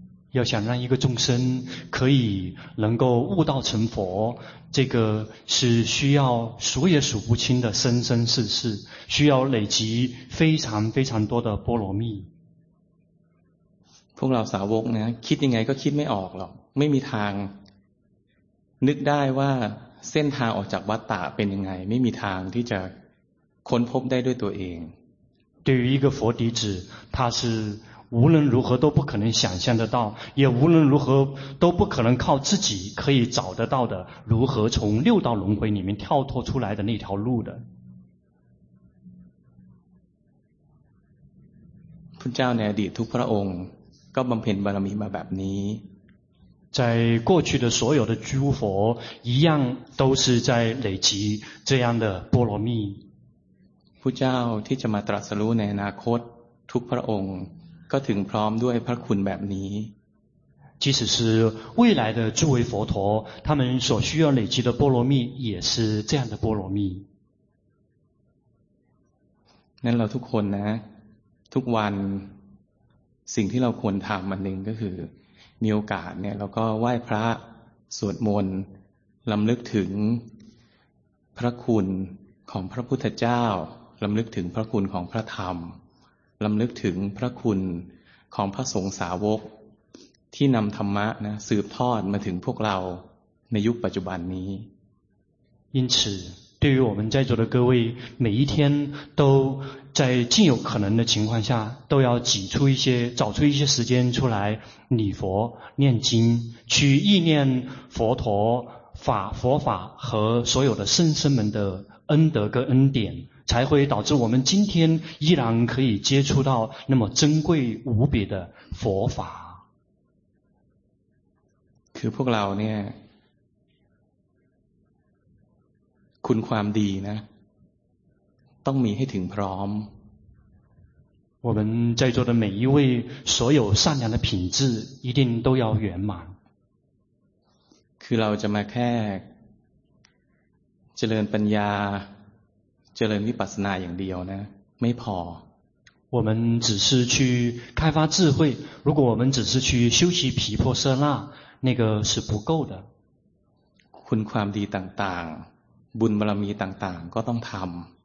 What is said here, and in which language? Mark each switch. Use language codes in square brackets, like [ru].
[zh] 要想让一个众生可以能够悟道成佛这个是需要数也数不清的生生世世需要累积非常非常多的波罗蜜 [th] พวกเราสาวกนะคิดยังไงก็คิดไม่ออกหรอกไม่มีทางนึกได้ว่าเส้นทางออกจากวัฏฏะเป็นยังไงไม่มีทางที่จะค้นพบได้ด้วยตัวเอง [zh] 对于一个佛弟子他是无论如何都不可能想象得到也无论如何都不可能靠自己可以找得到的如何从六道轮回里面跳脱出来的那条路的 [th] พระเจ้าในอดีตทุกพระองค์ก็บำเพ็ญบารมีมาแบบนี้ [zh] 在过去的所有的诸佛一样都是在累积这样的波罗蜜 [th] พระเจ้าที่จะมาตรัสรู้ในอนาคตทุกพระองค์ก็ถึงพร้อมด้วยพระคุณแบบนี้ [zh] 即使是未来的诸位佛陀他们所需要累积的波罗蜜也是这样的波罗蜜 [th] นั้นเราทุกคนนะทุกวันสิ่งที่เราควรทำมันหนึ่งก็คือมีโอกาสเนี่ยเราก็ไหว้พระสวดมนต์รำลึกถึงพระคุณของพระพุทธเจ้าลำลึกถึงพระคุณของพระธรรมลำลึกถึงพระคุณของพระสงฆ์สาวกที่นำธรรมะนะสืบทอดมาถึงพวกเราในยุคปัจจุบันนี้ [zh] 因此对于我们在座的各位每一天都在尽有可能的情况下都要挤出一些找出一些时间出来礼佛念经去忆念佛陀法佛法和所有的圣僧们的恩德跟恩典才会导致我们今天依然可以接触到那么珍贵无比的佛法。 [th] คือพวกเราเนี่ยคุณความดีนะต้องมีให้ถึงพร้อม [zh] 我们在座的每一位所有善良的品质一定都要圆满 [th] คือเราจะมาแค่เจริญปัญญาเจริญวิปัสสนาอย่างเดียวนะไม่พ [zh] อ我们只是去开发智慧如果我们只是去修习毗婆舍那那个是不够的 [th] คุณความดีต่างๆบุญบารมีต่างๆก็ต้องทำ